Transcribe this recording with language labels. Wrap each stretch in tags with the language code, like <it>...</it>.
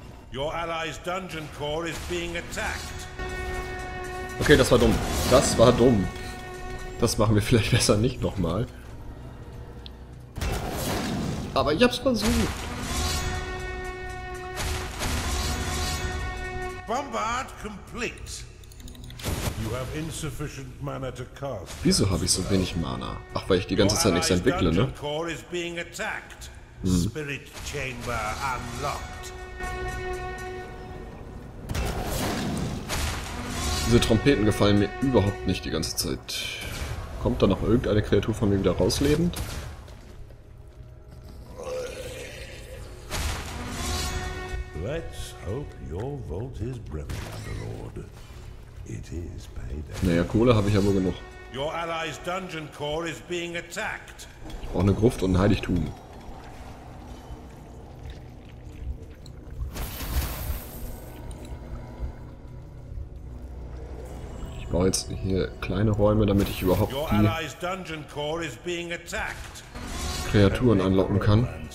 <en>Your allies dungeon core is being attacked.</en> <de>Okay, das war dumm. Das war dumm. Das machen wir vielleicht besser nicht nochmal. Aber ich hab's versucht.</de> <en>Bombard complete. You have insufficient mana to cast.</en> <de>Wieso habe ich so wenig Mana? Ach, weil ich die ganze Zeit nichts entwickle, ne?</de> <en>Core is being attacked. Spirit chamber unlocked.</en> <de>Diese Trompeten gefallen mir überhaupt nicht die ganze Zeit. Kommt da noch irgendeine Kreatur von mir wieder rauslebend?</de> <en>Let's hope your vault is brimming, Lord. It is paid.</en> <de>Naja, Kohle habe ich ja wohl genug.</de> <en>Your allies dungeon core is being attacked.</en> <de>Auch eine Gruft und ein Heiligtum. Ich baue jetzt hier kleine Räume, damit ich überhaupt die Kreaturen anlocken kann.</de>